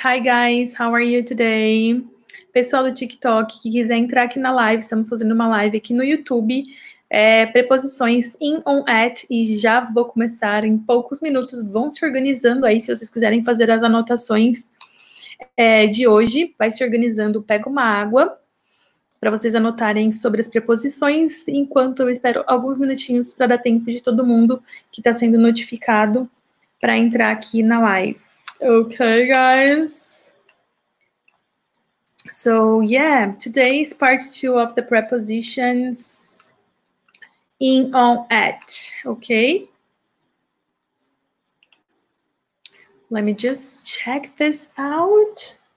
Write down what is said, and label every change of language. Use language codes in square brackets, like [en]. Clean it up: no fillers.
[en] Hi guys, how are you today? [pt] Pessoal do TikTok, que quiser entrar aqui na live, estamos fazendo uma live aqui no YouTube. É, preposições in, on, at, e já vou começar em poucos minutos. Vão se organizando aí, se vocês quiserem fazer as anotações de hoje, vai se organizando. Pega uma água para vocês anotarem sobre as preposições, enquanto eu espero alguns minutinhos para dar tempo de todo mundo que está sendo notificado para entrar aqui na live. [en] Okay, guys? So, yeah, today is part two of the prepositions. In, on, at, okay? Let me just check this out.